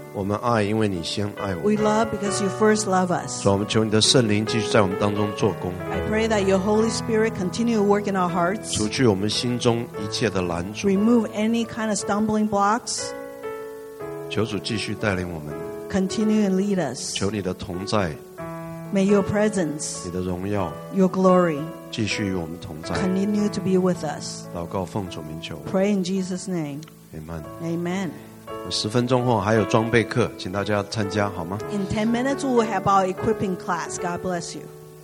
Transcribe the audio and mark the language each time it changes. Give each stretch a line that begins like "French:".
Chinese: 我们爱，因为你先爱我们。
English: We love because you first love us.
Chinese: 主，我们求你的圣灵继续在我们当中做工。
English: I pray that your Holy Spirit continue to work in our hearts.
Chinese: 除去我们心中一切的拦阻。
English: Remove any kind of stumbling blocks.
Chinese: 求主继续带领我们。
English: Continue and lead us.
Chinese: 求你的同在。
English: May your presence,
Chinese: 你的荣耀,
English: your glory,
Chinese: 继续与我们同在,
English: continue to be with us.
Chinese: 祷告奉主名求,
English: pray in Jesus' name. Amen. Amen.
Chinese: 十分钟后还有装备课, 请大家参加, 好吗?
English: In 10 minutes, we'll have our equipping class. God bless you.